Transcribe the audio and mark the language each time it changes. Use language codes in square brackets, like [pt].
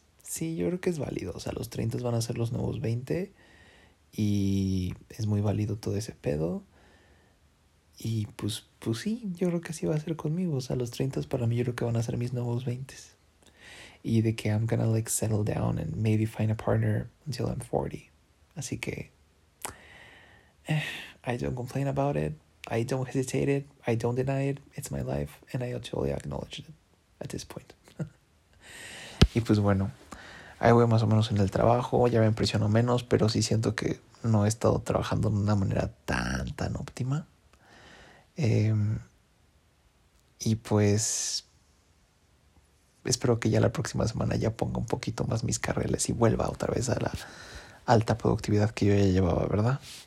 [es] Sí, yo creo que es válido. O sea, los 30 van a ser los nuevos 20. Y es muy válido todo ese pedo. Y pues sí, yo creo que así va a ser conmigo. O sea, los 30 para mí yo creo que van a ser mis nuevos 20. Y de que [en] I'm gonna like settle down and maybe find a partner until I'm 40. [es] Así que [en] I don't complain about it. I don't hesitate it. I don't deny it. It's my life. And I totally acknowledge it at this point. [es] Y pues bueno, ahí voy más o menos en el trabajo. Ya me impresiono menos, pero sí siento que no he estado trabajando de una manera tan, tan óptima. Y pues espero que ya la próxima semana ya ponga un poquito más mis carriles y vuelva otra vez a la alta productividad que yo ya llevaba, ¿verdad?